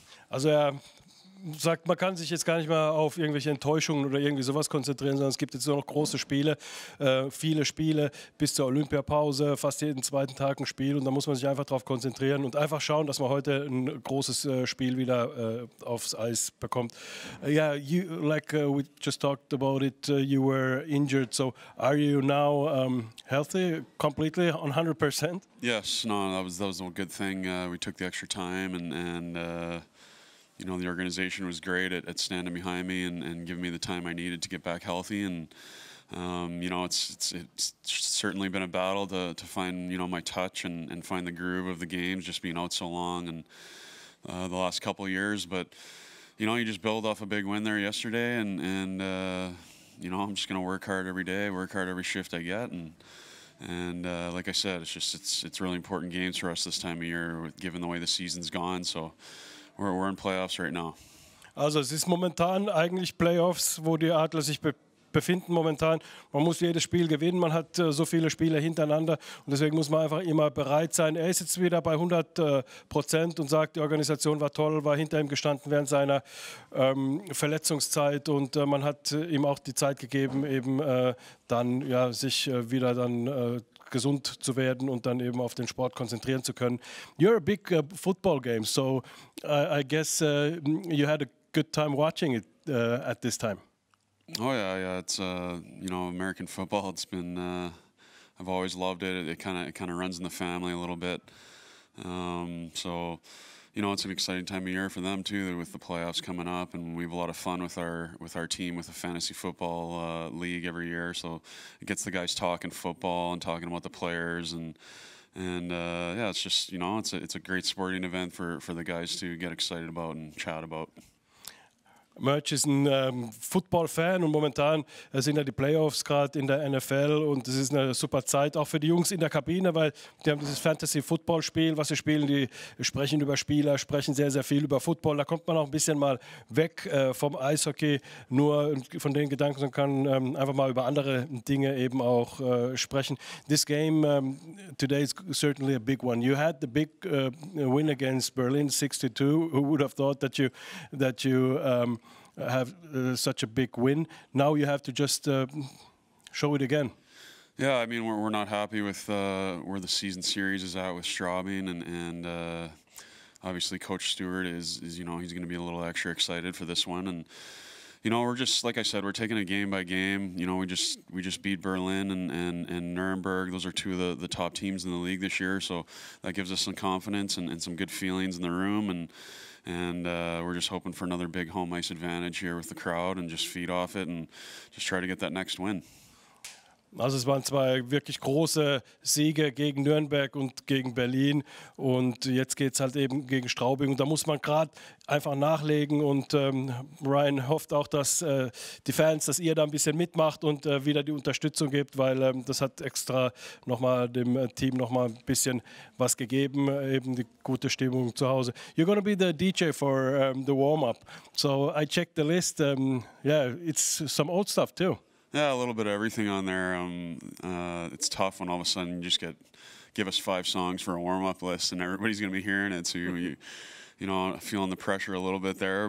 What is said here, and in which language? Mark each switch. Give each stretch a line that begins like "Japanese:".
German: Also, sagt, man kann sich jetzt gar nicht mehr auf irgendwelche Enttäuschungen oder irgendwie sowas konzentrieren, sondern es gibt jetzt nur noch große Spiele, viele Spiele bis zur Olympiapause, fast jeden zweiten Tag ein Spiel und da muss man sich einfach darauf konzentrieren und einfach schauen, dass man heute ein großes Spiel wieder aufs Eis bekommt.
English: Yeah, you, like we just talked about it, you were injured, so are you now healthy completely, 100%? Yes, no, that was a good thing. We took the extra time you know, the organization was great at standing behind me and giving me the time I needed to get back healthy. And, you know, it's certainly been a battle to find, you know, my touch and find the groove of the games, just being out so long and the last couple of years. But, you know, you just build off a big win there yesterday. And you know, I'm just going to work hard every day, work hard every shift I get. And like I said, it's really important games for us this time of year, given the way the season's gone. So, we're in playoffs right now.
German: Also, es ist momentan eigentlich Playoffs, wo die Adler sich befinden momentan. Man muss jedes Spiel gewinnen. Man hat so viele Spiele hintereinander und deswegen muss man einfach immer bereit sein. Er ist jetzt wieder bei 100% und sagt, die Organisation war toll, war hinter ihm gestanden während seiner Verletzungszeit und man hat ihm auch die Zeit gegeben, eben dann ja sich wieder dann gesund zu werden und dann eben auf den Sport konzentrieren zu können.
English: You're a big football game, so I guess you had a good time watching it at this time. Oh yeah, it's you know, American football. It's been I've always loved it. It kind of runs in the family a little bit. So you know, it's an exciting time of year for them too, with the playoffs coming up, and we have a lot of fun with our team, with the fantasy football league every year. So it gets the guys talking football and talking about the players, and it's just, you know, it's a great sporting event for the guys to get excited about and chat about.
German: Merch ist ein Football-Fan und momentan sind ja die Playoffs gerade in der NFL und das ist eine super Zeit auch für die Jungs in der Kabine, weil die haben dieses Fantasy-Football-Spiel, was sie spielen, die sprechen über Spieler, sprechen sehr, sehr viel über Football. Da kommt man auch ein bisschen mal weg vom Eishockey, nur von den Gedanken und kann einfach mal über andere Dinge eben auch sprechen.
English: This game today is certainly a big one. You had the big win against Berlin 6-2. Who would have thought that you have such a big win. Now you have to just show it again. Yeah, I mean, we're not happy with where the season series is at with Straubing, and obviously Coach Stewart is, you know, he's going to be a little extra excited for this one. And, you know, we're just, like I said, we're taking it game by game. You know, we just beat Berlin and Nuremberg. Those are two of the top teams in the league this year, so that gives us some confidence and some good feelings in the room. And we're just hoping for another big home ice advantage here with the crowd and just feed off it and just try to get that next win. Also es waren zwei wirklich große Siege gegen Nürnberg und gegen Berlin und jetzt geht es halt eben gegen Straubing und da muss man gerade einfach nachlegen und Ryan hofft auch, dass die Fans, dass ihr da ein bisschen mitmacht und wieder die Unterstützung gebt, weil das hat extra nochmal dem Team nochmal ein bisschen was gegeben, eben die gute Stimmung zu Hause. You're going to be the DJ for the warm-up. So I checked the list. It's some old stuff too. Yeah, a little bit of everything on there. It's tough when all of a sudden you just give us five songs for a warm-up list and everybody's going to be hearing it. So, you know, feeling the pressure a little bit there.